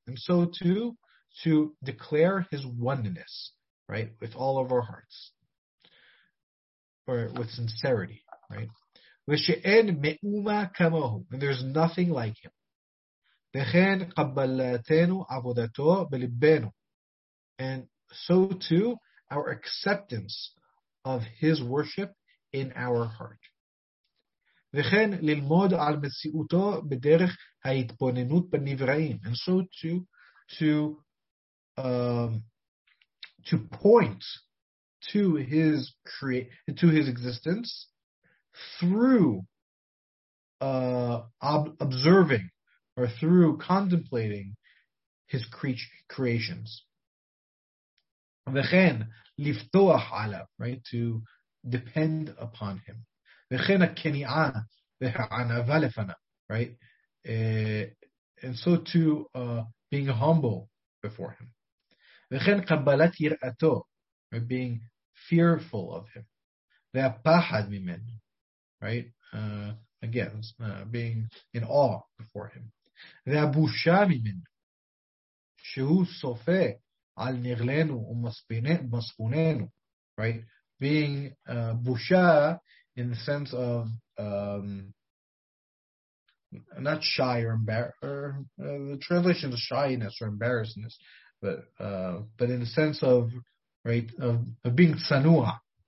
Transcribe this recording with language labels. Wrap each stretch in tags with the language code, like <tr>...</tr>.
<en>And so too, to declare his oneness, right, with all of our hearts, or with sincerity, right?</en> <he>ושאין מאומה כמוהו,</he> <en>and there's nothing like him.</en> <he>וכן קבלתנו עבודתו בלבנו.</he> <en>And so too, our acceptance of his worship in our heart.</en> <he>וכן ללמוד על מציאותו בדרך ההתבוננות בנבראים.</he> <en>And so to point to his existence through observing or through contemplating his creations.</en> <he>וכן לפתוח עליו,</he> <en>right, to depend upon him.</en> <he>וכן הכניעה והענווה לפניו, right?</he> <en>And so to being humble before him.</en> <he>וכן קבלת יראתו,</he> <en>right, being fearful of him.</en> <he>והפחד ממנו,</he> <en>right? Again, being in awe before him.</en> <he>והבושה ממנו, שהוא סופה על נגלנו ומספוננו, right?</he> <en>Being busha in the sense of not shy or the translation is shyness or embarrassedness, but in the sense of, right, of being tsanua,</en>